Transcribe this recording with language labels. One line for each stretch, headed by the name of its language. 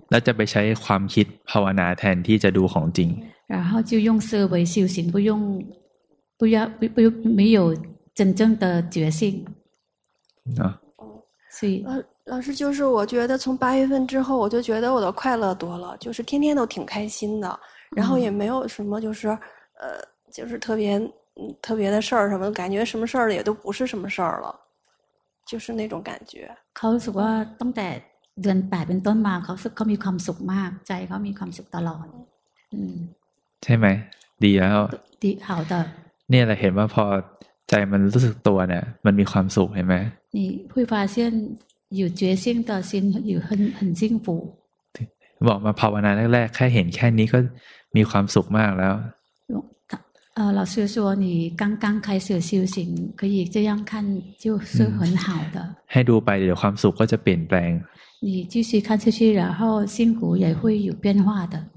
Thai: แล้วจะไปใช้ความคิดภาวนาแทนที่จะดูของจริง
Chinese: 然后就用思维修行不用不要不不没有真正的决心啊所以老师就是我觉得从八月份之后我就觉得我的快乐多了就是天天都挺开心的然后也没有什么就是就是特别的事儿什么感觉什么事儿也都不是什么事儿了就是那种感觉
Thai: เขาสุขว่าตั้งแต่เดือน8เป็นต้นมาเขามีความสุขมากใจเขามีความสุขตลอด ใช่ไหมดีแล้ว ดี
Chinese: 好的
Thai: เนี่ยเราเห็นว่าพอใจมันรู้สึกตัวเนี่ยมันมีความสุขเห็นไหม
Chinese: 你会发现有决心的心有很幸福
Thai: บอกมาภาวนาแรกๆแค่เห็นแค่นี้ก็มีความสุขมากแล้ว
Chinese: 老师说你刚刚开始修行可以这样看就是很好的
Thai: ให้ดูไปเดี๋ยวความสุขก็จะเปลี่ยนแปลง
Chinese: 你继续看下去然后心苦也会有变化的